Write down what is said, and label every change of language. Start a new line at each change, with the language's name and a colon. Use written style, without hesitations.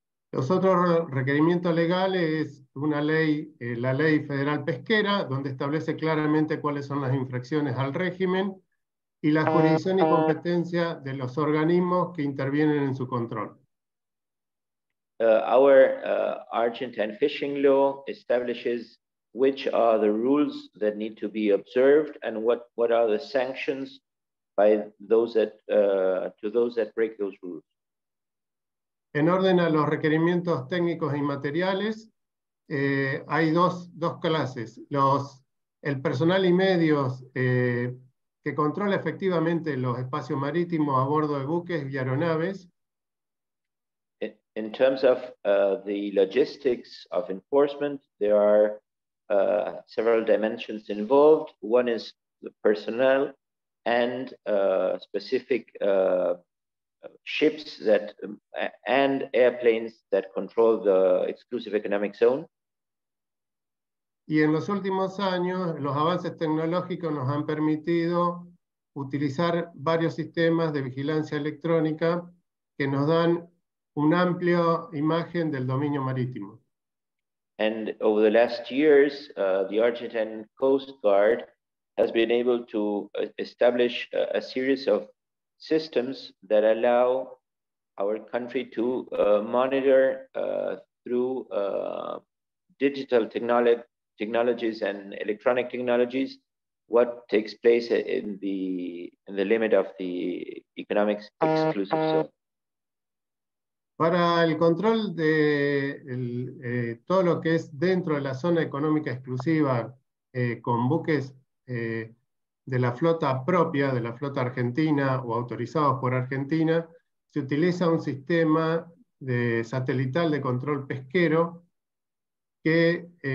Spanish: Los otros requerimientos legales es una ley, la ley federal pesquera, donde establece claramente cuáles son las infracciones al régimen y la jurisdicción y competencia de los organismos que intervienen en su control.
English: Our Argentine fishing law establishes which are the rules that need to be observed and what are the sanctions by those that to those that break those rules.
Spanish: En orden a los requerimientos técnicos y materiales, hay dos clases. El personal y medios que controla efectivamente los espacios marítimos a bordo de buques y aeronaves.
English: In terms of the logistics of enforcement, there are several dimensions involved. One is the personnel and specific ships that and airplanes that control the exclusive economic zone.
Spanish: Y en los últimos años, los avances tecnológicos nos han permitido utilizar varios sistemas de vigilancia electrónica que nos dan una amplia imagen del dominio marítimo.
English: And over the last years, the Argentine Coast Guard has been able to establish a series of systems that allow our country to monitor through digital technologies and electronic technologies what takes place in the limit of the economic exclusive zone.
Spanish: Para el control de todo lo que es dentro de la zona económica exclusiva con buques de la flota propia, de la flota argentina o autorizados por Argentina, se utiliza un sistema de satelital de control pesquero que